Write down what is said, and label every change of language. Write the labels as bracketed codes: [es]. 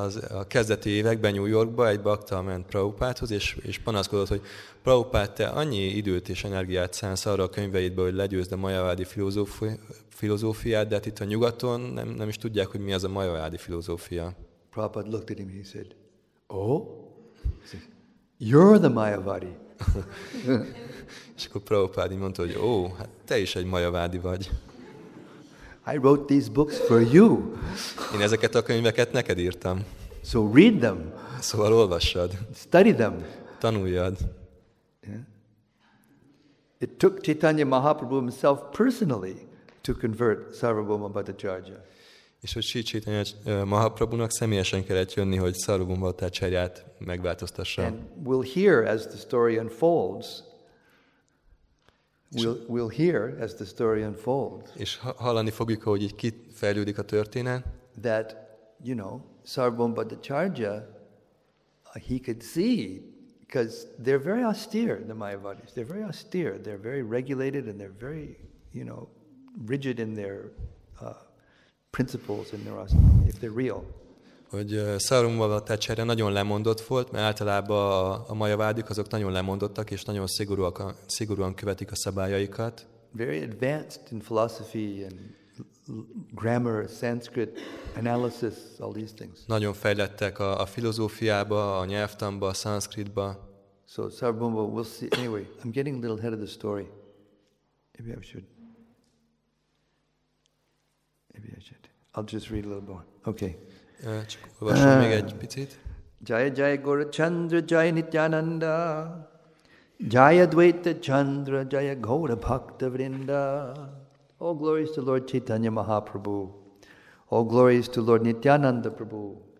[hu] A kezdeti években New Yorkba egy bakta ment Prabhupádhoz és panaszkodott, hogy Prabhupád, te annyi időt és energiát szánsz arra a könyveidbe, hogy legyőzd a Mayavadi filozófiát, de hát itt a nyugaton nem is tudják, hogy mi az a Mayavadi filozófia. [en] Prabhupád looked at him, he said, "Oh, he said, you're the Mayavadi." [hu] És akkor Prabhupád mondta, hogy ó, hát te is egy mayavádi vagy. [en] I wrote these books for you. [hu] Én ezeket a könyveket neked írtam. [en] So read them. [hu] Szóval olvassad. [en] Study them. [hu] Tanuljad. [en] Yeah. It took Chaitanya Mahaprabhu himself personally to convert Sarvabhauma Bhattacharya. [hu] És hogy Chaitanya Mahaprabhunak személyesen kellett jönni, hogy Sarvabhauma Bhattacharyát megváltoztassa. [en] And we'll hear as the story unfolds. We'll hear as the story unfolds. [hu] És hallani fogjuk, hogy így kifejlődik a történet. [en] That, you know, Sarvabhauma Bhattacharya, he could see, because they're very austere, the Mayavadis. They're very austere. They're very regulated and they're very, you know, rigid in their principles in their asana, if they're real. [hu] Hogy Sarvabhauma Bhattacharya nagyon lemondott volt, mert általában a mayavádik azok nagyon lemondottak, és nagyon szigorúan követik a szabályaikat. [en] Very advanced in philosophy and grammar, Sanskrit analysis, all these things. [hu] Nagyon fejlettek a filozófiába, a nyelvtanba, a szanszkritba. [en] So Sarvabhauma, we'll see. Anyway, I'm getting a little ahead of the story. Maybe I should. I'll just read a little more. Okay. [hu] Csak olvasom még egy picit. [sa] Jaya Jaya Gaura Chandra Jaya Nityananda Jaya Dvaita Chandra Jaya Gaura Bhakta Vrinda. [en] All glories to Lord Chaitanya Mahaprabhu. All glories to Lord Nityananda Prabhu.